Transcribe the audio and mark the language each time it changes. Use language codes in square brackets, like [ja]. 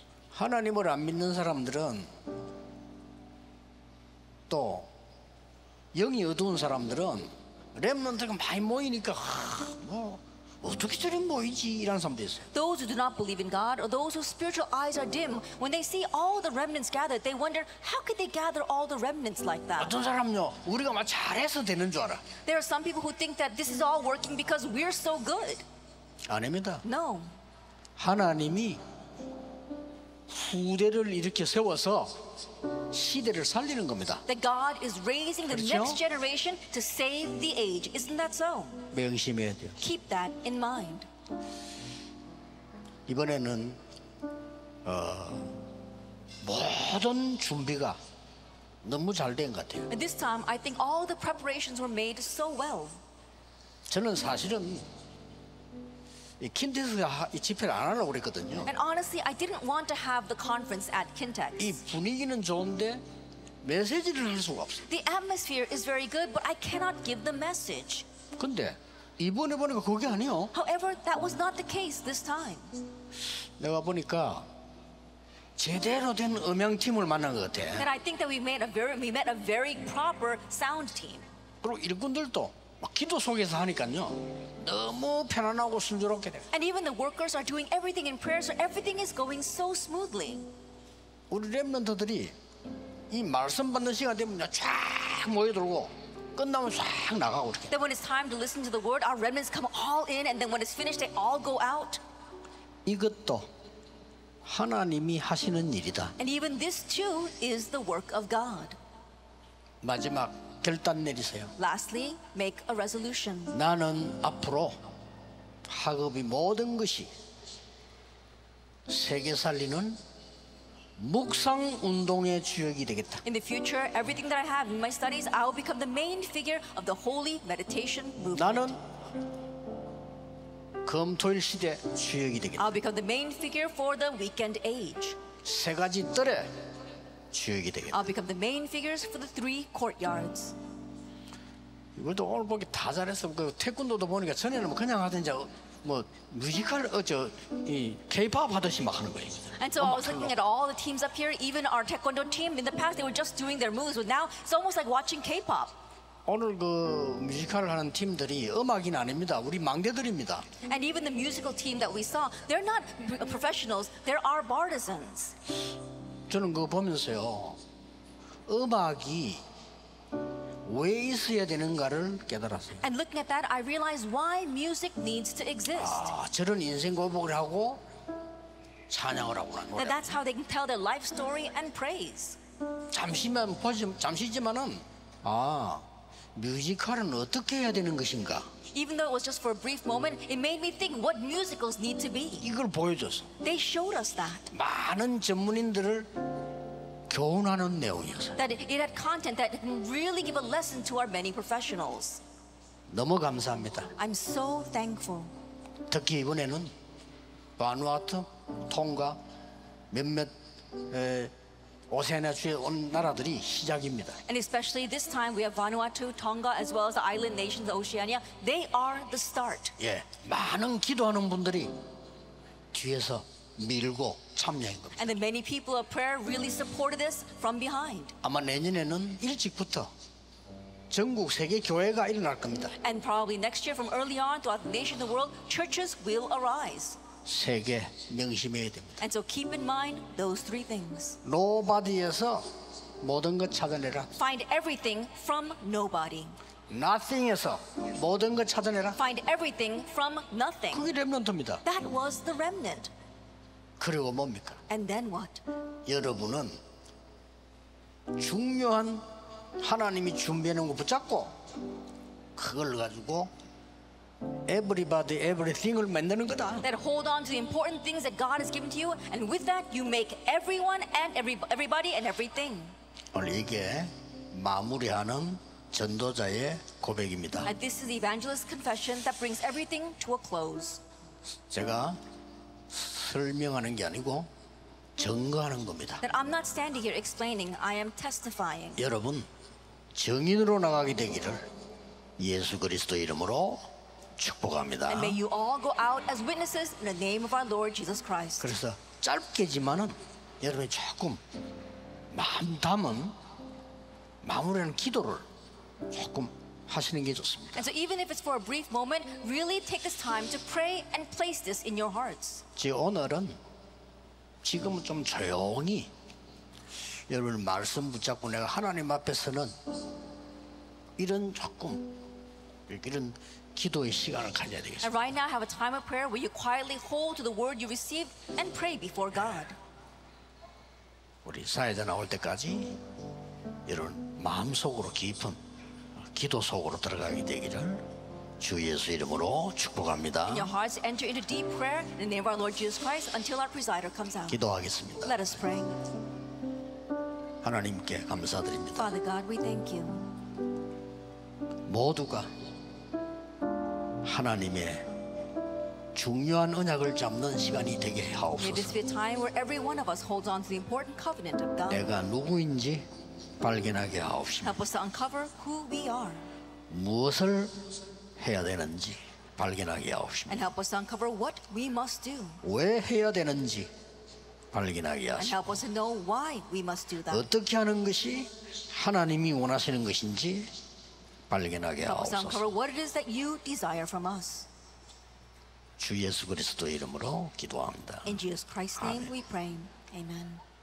[ko] 하나님을 안 믿는 사람들은 또 영이 어두운 사람들은 렘넌트가 많이 모이니까 뭐 어떻게 저리 모이지 이런 사람도 있어요. [en] Those who do not believe in God or those whose spiritual eyes are dim, when they see all the remnants gathered, they wonder how could they gather all the remnants like that. [ko] 어떤 사람요? 우리가 막 잘해서 되는 줄 알아. [en] There are some people who think that this is all working because we're so good. [ko] 아닙니다. [en] No. [ko] 하나님이 후대를 일으켜 세워서 시대를 살리는 겁니다. [en] That God is raising [ko] 그렇죠? [en] the next generation to save the age. Isn't that so? [ko] 명심해야 돼요. [en] Keep that in mind. [ko] 이번에는 모든 준비가 너무 잘 된 것 같아요. [en] And this time, I think all the preparations were made so well. [ko] 저는 사실은 이 킨텍스가 이 집회를 안 하려고 그랬거든요. [en] And honestly, I didn't want to have the conference at Kintex. [ko] 이 분위기는 좋은데 메시지를 할 수가 없어요. [en] The atmosphere is very good, but I cannot give the message. [ko] 근데 이번에 보니까 그게 아니요. [en] However, that was not the case this time. [ko] 내가 보니까 제대로 된 음향 팀을 만난 것 같아. [en] And I think that we met a very proper sound team. [ko] 그리고 일꾼들도 막 기도 속에서 하니까요. 너무 편안하고 순조롭게 돼. [en] And even the workers are doing everything in prayer, so everything is going so smoothly. [ko] 우리 렘넌트들이 이 말씀 받는 시간 되면 쫙 모여들고 끝나면 쫙 나가고 이렇게. [en] Then when it's time to listen to the word, our remnants come all in, and then when it's finished, they all go out. [ko] 이것도 하나님이 하시는 일이다. [en] And even this too is the work of God. [ko] 마지막 결단 내리세요. [en] Lastly, make a resolution. [ko] 나는 앞으로 학업이 모든 것이 세계 살리는 묵상 운동의 주역이 되겠다. [en] In the future, everything that I have in my studies, I will become the main figure of the holy meditation movement. [ko] 나는 금토일 시대 주역이 되겠다. [en] I'll become the main figure for the weekend age. [ko] 세 가지 뜰에 주역이 되겠다. [en] I'll become the main figures for the three courtyards. [ko] 이것도 오늘 보기 다 잘했어. 그 태권도도 보니까 전에는 그냥 하든지 뭐 뮤지컬 어저 이 K-pop 하듯이 막 하는 거예요. [en] And so I was looking at all the teams up here, even our taekwondo team. In the past, they were just doing their moves, but now it's almost like watching K-pop. [ko] 오늘 그 뮤지컬 하는 팀들이 음악인 아닙니다. 우리 망대들입니다. [en] And even the musical team that we saw, they're not professionals. They're our bartisans. [ko] 저는 그거 보면서요, 음악이 왜 있어야 되는가를 깨달았어요. [en] And looking at that, I realized why music needs to exist. [ko] 아, 저런 인생 고백을 하고 찬양을 하고 노래. [en] And that's how they can tell their life story and praise. [ko] 잠시만 보지, 잠시지만은 아, 뮤지컬은 어떻게 해야 되는 것인가? [en] Even though it was just for a brief moment, it made me think what musicals need to be. [ko] 이걸 보여줬어. [en] They showed us that. [ko] 많은 전문인들을 교훈하는 내용이었어요. [en] That it had content that can really give a lesson to our many professionals. [ko] 너무 감사합니다. [en] I'm so thankful. [ko] 특히 이번에는 바누아투, 통과, 몇몇 오세아니아 주에 온 나라들이 시작입니다. [en] And especially this time we have Vanuatu, Tonga as well as the island nations of Oceania. They are the start. [ko] 예, 많은 기도하는 분들이 뒤에서 밀고 참여한 겁니다. [en] And the many people of prayer really supported this from behind. [ko] 아마 내년에는 일찍부터 전국 세계 교회가 일어날 겁니다. [en] And probably next year from early on throughout the nation of the world churches will arise. [ko] 세계 명심해야 됩니다. [en] And so keep in mind those three things. [ko] Nobody에서 모든 것 찾아내라. [en] Find everything from nobody. [ko] Nothing에서 모든 것 찾아내라. [en] Find everything from nothing. [ko] 그게 렘넌트입니다. [en] That was the remnant. [ko] 그리고 뭡니까? [en] And then what? [ko] 여러분은 중요한 하나님이 준비하는 것 붙잡고 그걸 가지고 [en] Everybody, everything [ko] 을 만드는 거다. [en] That hold on to the important things that God has given to you, and with that, you make everyone and everybody and everything. [ko] 오늘 이게 마무리하는 전도자의 고백입니다. [en] And this is the evangelist's confession that brings everything to a close. [ko] 제가 설명하는 게 아니고 증거하는 겁니다. [en] That I'm not standing here explaining. I am testifying. [ko] 여러분 증인으로 나가게 되기를 예수 그리스도 이름으로. 축복합니다. [en] And may you all go out as witnesses in the name of our Lord Jesus Christ. [ko] 그래서 짧게지만은 여러분이 조금 마음 담은 마무리하는 기도를 조금 하시는 게 좋습니다. [en] And so even if it's for a brief moment, really take this time to pray and place this in your hearts. [ko] 오늘은 지금은 좀 조용히 여러분 말씀 붙잡고 내가 하나님 앞에서는 이런 조금 이런 기도의 시간을 가져야 되겠어요. [en] And right now, have a time of prayer where you quietly hold to the word you received and pray before God. [ko] 우리 사회자 나올 때까지 이런 마음속으로 깊은 기도 속으로 들어가게 되기를 주 예수 이름으로 축복합니다. [en] In your hearts, enter into deep prayer in the name of our Lord Jesus Christ until our presider comes out. [ko] 기도하겠습니다. [en] Let us pray. [ko] 하나님께 감사드립니다. [en] Father God, we thank you. [ko] 모두가 하나님의 중요한 언약을 잡는 시간이 되게 하옵소서. [en] May this be a time where every one of us holds on to the important covenant of God. [ko] 내가 누구인지 발견하게 하옵소서. [en] Help us to uncover who we are. [ko] 무엇을 해야 되는지 발견하게 하옵소서. [en] And help us to uncover what we must do. [ko] 왜 해야 되는지 발견하게 하옵소서. [en] And help us to know why we must do that. [ko] 어떻게 하는 것이 하나님이 원하시는 것인지 발견하게 [en] help [ko] 하옵소서. [en] Help us uncover what it is that you desire from us. [ko] 주 예수 그리스도 이름으로 기도합니다. [en] In Jesus Christ's name, 아멘. We pray. Amen.